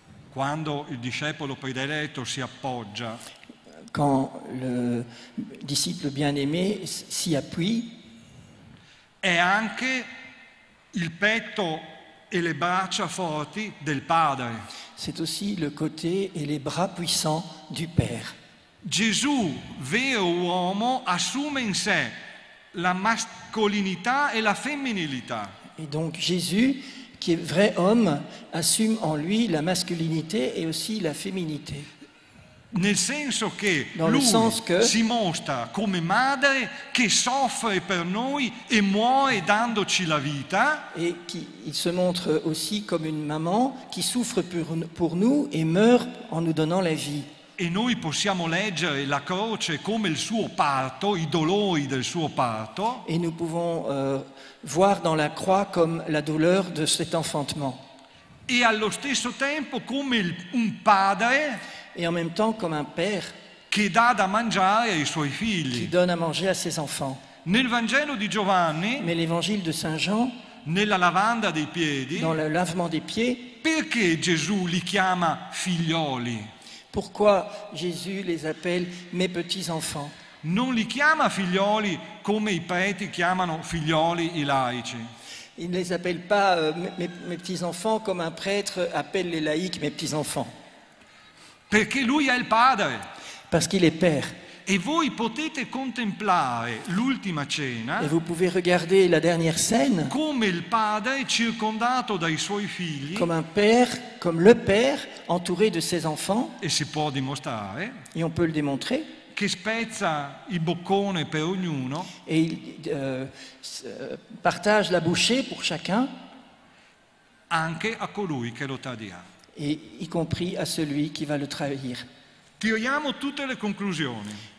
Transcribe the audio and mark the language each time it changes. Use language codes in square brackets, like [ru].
[it] quando il discepolo prediletto si appoggia, [fr] quand le disciple bien-aimé si appuie, [it] è anche il petto e le braccia forti del padre. [fr] C'est aussi le côté et les bras puissants du père. [it] Gesù, vero uomo, assume in sé la mascolinità e la femminilità. [fr] Et donc Jésus, qui est vrai homme, assume en lui la masculinité et aussi la féminité. [it] Nel senso che lui si mostra come madre che soffre per noi e muore dandoci la vita. [fr] Et qui il se montre aussi comme une maman qui souffre pour nous et meurt en nous donnant la vie. [it] E noi possiamo leggere la croce come il suo parto, i dolori del suo parto. E noi [fr] pouvons voir dans la croix comme la douleur de cet enfantement. [it] E allo stesso tempo come un padre. [fr] Et en même temps comme un père. [it] Che dà da mangiare ai suoi figli. [fr] Qui donne à manger à ses enfants. [it] Nel Vangelo di Giovanni. [fr] Mais l'évangile de Saint Jean. [it] Nella lavanda dei piedi. [fr] Dans le lavement des pieds. [it] Perché Gesù li chiama figlioli? [fr] Pourquoi Jésus les appelle mes petits-enfants? [it] Non li chiama figlioli come i preti chiamano figlioli i laici. [fr] Il ne les appelle pas mes petits-enfants comme un prêtre appelle les laïcs mes petits-enfants. [it] Perché lui è il padre. [fr] Parce qu'il est père. Et vous pouvez contempler [it] l'ultima cena. [fr] Et vous pouvez regarder la dernière scène. [it] Come il padre è circondato dai suoi figli. [fr] Comme un père, comme le père, entouré de ses enfants. [it] E si può dimostrare. [fr] Et on peut le démontrer. [it] Che spezza i bocconi per ognuno. [fr] Et il partage la bouchée pour chacun. [it] Anche a colui che lo tradirà. [fr] Et y compris à celui qui va le trahir. [it] Tiriamo tutte le conclusioni.